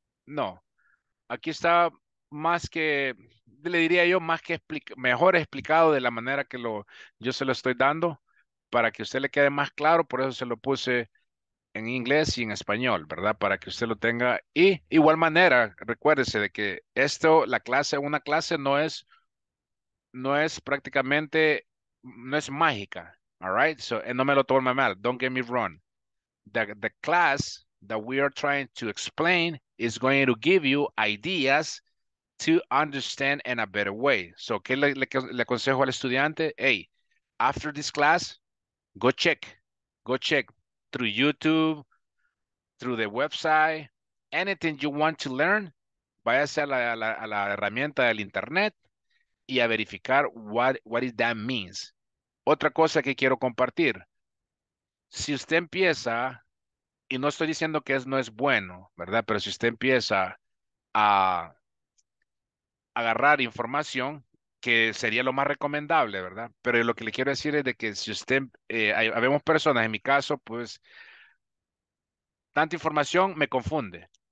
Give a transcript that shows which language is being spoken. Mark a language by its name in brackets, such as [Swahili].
[Spanish] No, aquí está más que, le diría yo, más que mejor explicado de la manera que yo se lo estoy dando para que usted le quede más claro, por eso se lo puse en inglés y en español, ¿verdad? Para que usted lo tenga, y igual manera, recuérdese de que esto, la clase, una clase no es prácticamente, no es mágica, [English] all right? So, [Spanish] no me lo tome mal, [English] don't get me wrong. The class that we are trying to explain is going to give you ideas to understand in a better way. So, [Spanish] ¿qué le aconsejo al estudiante? [English] Hey, after this class, go check through YouTube, through the website, anything you want to learn, [Spanish] váyase a la herramienta del internet y a verificar [English] what is that means. [Spanish] Otra cosa que quiero compartir, si usted empieza, y no estoy diciendo que no es bueno, ¿verdad? Pero si usted empieza a agarrar información, que sería lo más recomendable, ¿verdad? Pero lo que le quiero decir es de que si usted, habemos personas, en mi caso, pues, tanta información me confunde.